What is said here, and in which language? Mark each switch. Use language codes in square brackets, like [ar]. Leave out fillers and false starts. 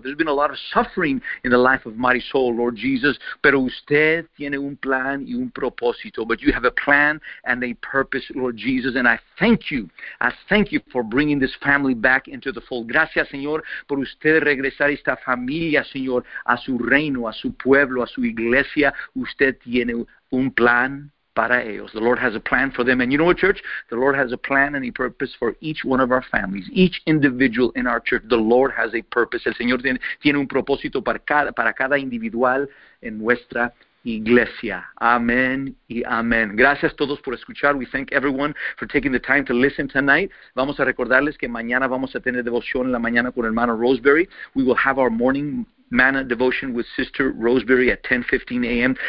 [en] There's been a lot of suffering in the life of Marisol, Lord Jesus. [es] Pero usted tiene un plan y un propósito. [en] But you have a plan and a purpose, Lord Jesus. And I thank you. I thank you for bringing this family back into the fold. [es] Gracias, Señor, por usted regresar esta familia, Señor, a su reino, a su pueblo, a su iglesia. Usted tiene un plan para ellos. [en] The Lord has a plan for them. And you know what, church? The Lord has a plan and a purpose for each one of our families, each individual in our church. The Lord has a purpose. [es] El Señor tiene un propósito para cada individual en nuestra iglesia. Amén y amén. Gracias todos por escuchar. [en] We thank everyone for taking the time to listen tonight. [es] Vamos a recordarles que mañana vamos a tener devoción en la mañana con hermano Roseberry. [en] We will have our morning Manna Devotion with Sister Roseberry at 10:15 a.m.